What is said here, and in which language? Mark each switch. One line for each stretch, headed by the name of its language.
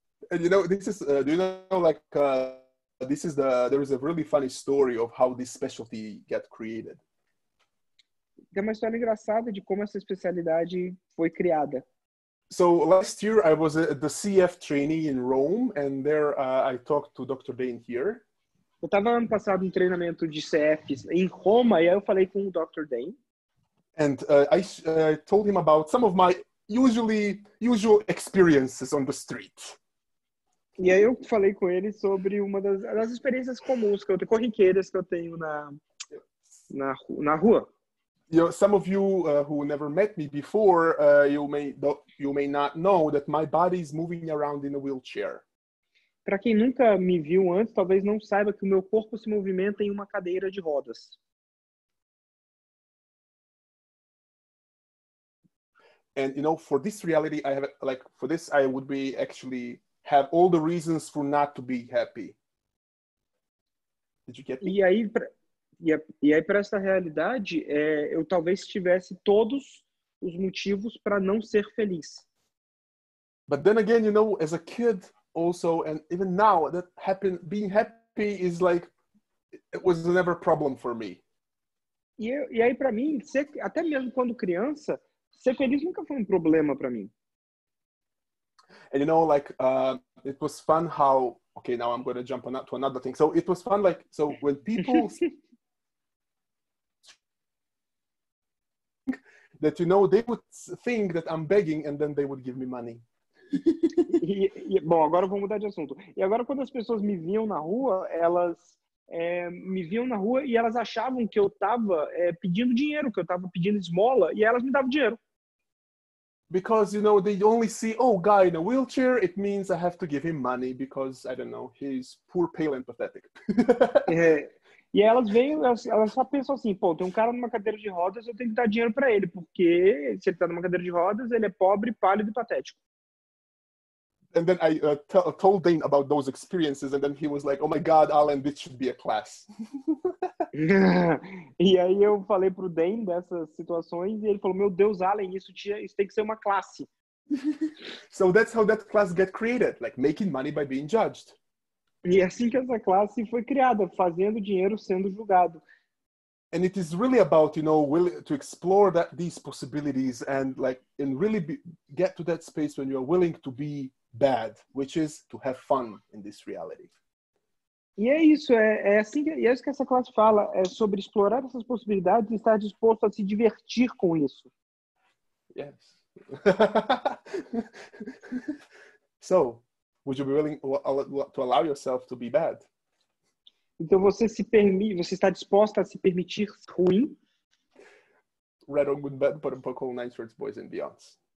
English: And you know, this is, this is there is a really funny story of how this specialty got created.
Portuguese: tem uma história engraçada de como essa especialidade foi criada.
English: So last year I was at the CF training in Rome, and there I talked to Dr. Bain here.
Portuguese: Eu estava ano passado em treinamento de CF em Roma e aí eu falei com o Dr. Dane.
English: And I told him about some of my usual experiences on the street.
Portuguese: E aí eu falei com ele sobre uma das experiências comuns que eu tenho, corriqueiras que eu tenho na rua.
English: You know, some of you who never met me before, you may not know that my body is moving around in a wheelchair.
Portuguese: Para quem nunca me viu antes, talvez não saiba que o meu corpo se movimenta em uma cadeira de rodas.
English: And you know, for this reality, I have like for this, I would be actually have all the reasons for not to be happy. Did you get me?
Portuguese: E aí para essa realidade, eu talvez tivesse todos os motivos para não ser feliz.
English: But then again, you know, as a kid. Also, and even now, that happened, being happy is like, it was never a problem for me.
Portuguese: E aí, pra mim, até mesmo quando criança, ser feliz nunca foi um problema pra mim.
English: And you know, like, it was fun how, okay, now I'm going to jump to another thing. So, it was fun, like, so when people think that, you know, they would think that I'm begging and then they would give me money.
Portuguese: Bom, agora eu vou mudar de assunto. E agora quando as pessoas me viam na rua, elas me viam na rua e elas achavam que eu tava pedindo dinheiro, que eu tava pedindo esmola, e elas me davam dinheiro.
English: Because, you know, they only see, oh, guy in a wheelchair, it means I have to give him money because, I don't know, he's poor, pale and pathetic.
Portuguese: E elas veem, elas só pensam assim, pô, tem um cara numa cadeira de rodas, eu tenho que dar dinheiro pra ele, porque se ele tá numa cadeira de rodas, ele é pobre, pálido e patético.
English: And then I told Dane about those experiences, and then he was like, oh my God, Alan, this should be a class.
Portuguese: E aí eu falei pro Dane dessas situações, e ele falou, meu Deus, Alan, isso tem que ser uma classe.
English: So that's how that class got created, like making money by being judged.
Portuguese: E é assim que essa classe foi criada, fazendo dinheiro, sendo julgado.
English: And it is really about, you know, will to explore that these possibilities and like and really get to that space when you're willing to be bad, which is to have fun in this reality.
Portuguese: E é isso, é isso que essa classe fala, é sobre explorar essas possibilidades e estar disposto a se divertir com isso.
English: Yes. So, would you be willing to allow yourself to be bad?
Portuguese: Então você está disposta a se permitir ruim? Red on good bed, but a pouco nice words, boys and beyonds.